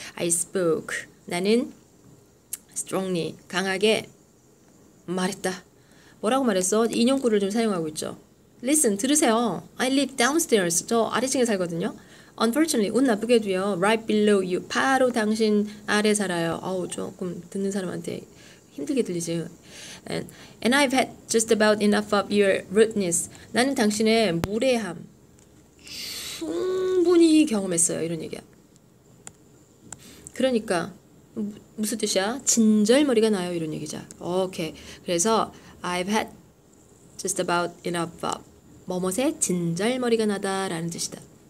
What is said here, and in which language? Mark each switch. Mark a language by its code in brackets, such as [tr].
[ko] I spoke 나는 strongly 강하게 말했다. 뭐라고 말했어? 인용구를 좀 사용하고 있죠. [en] Listen, [ko] 들으세요. [en] I live downstairs. [ko] 저 아래층에 살거든요. [en] Unfortunately, [ko] 운 나쁘게도요. [en] Right below you. [ko] 바로 당신 아래 살아요. 어우, 조금 듣는 사람한테 힘들게 들리지. [en] And I've had just about enough of your rudeness. [ko] 나는 당신의 무례함 충분히 경험했어요. 이런 얘기야. 그러니까 무슨 뜻이야? 진절머리가 나요. 이런 얘기죠. 오케이. 그래서 [en] I've had just about enough of [ko] 뭐뭇에 진절머리가 나다라는 뜻이다.